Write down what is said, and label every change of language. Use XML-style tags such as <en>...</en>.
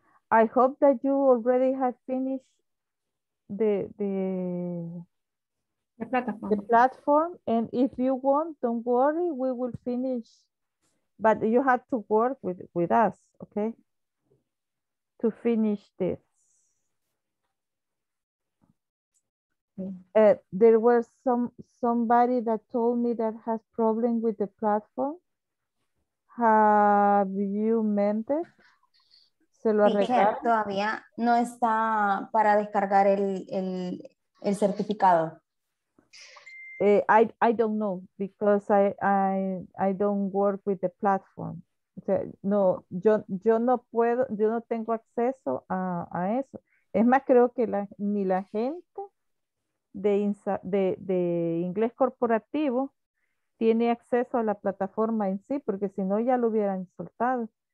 <en>I hope that you already have finished the platform, and if you want, don't worry, we will finish, but you have to work with us, okay, to finish this. There was somebody that told me that has problem with the platform. Have you meant it?</en> <es>Se lo todavía no está para descargar el certificado.</es> <en>I don't know because I don't work with the platform.</en> <es>O sea, no, yo no puedo, yo no tengo acceso a eso. Es más, creo que ni la gente de inglés corporativo tiene acceso a la plataforma en sí, porque si no ya lo hubieran soltado.</es>